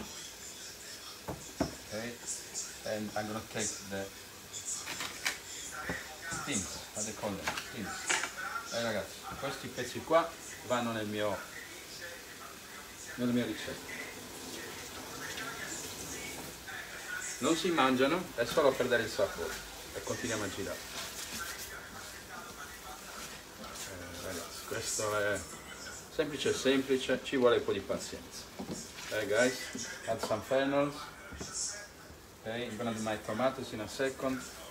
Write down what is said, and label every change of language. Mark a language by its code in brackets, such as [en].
[en] Okay, and I'm gonna take the steams, how they call them, steams. [it] Hey ragazzi, questi pezzi qua vanno nella mia ricetta. Non si mangiano, è solo per dare il sapore. E continuiamo a girare. Questo è semplice, semplice, ci vuole un po' di pazienza. [en] Hey guys, add some fennels. Okay, I'm gonna do my tomatoes in a second.